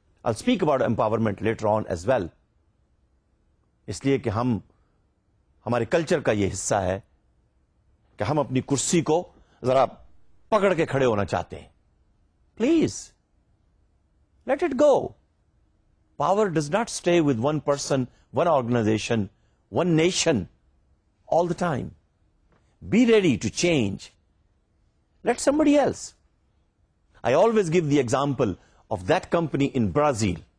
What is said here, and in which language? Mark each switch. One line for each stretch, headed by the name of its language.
English: I'll speak about empowerment later on as well.
Urdu: اس لیے کہ ہم, ہمارے کلچر کا یہ حصہ ہے کہ ہم اپنی کرسی کو ذرا پکڑ کے کھڑے ہونا چاہتے ہیں.
English: Please let it go. power does not stay with one person, one organization, one nation all the time. Be ready to change. Let somebody else. I always give the example of that company in Brazil.